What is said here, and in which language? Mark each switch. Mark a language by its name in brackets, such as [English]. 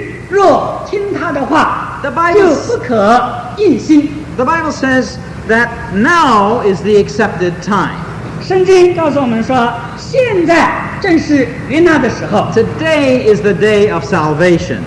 [Chinese] 那么圣经告诉我们说，你们今日若听他的话， [English] the Bible, [Chinese] 就不可硬心。 [English] The Bible says that now is the accepted time. [Chinese] 圣经告诉我们说，现在正是悦纳的时候。 [English] Today is the day of salvation.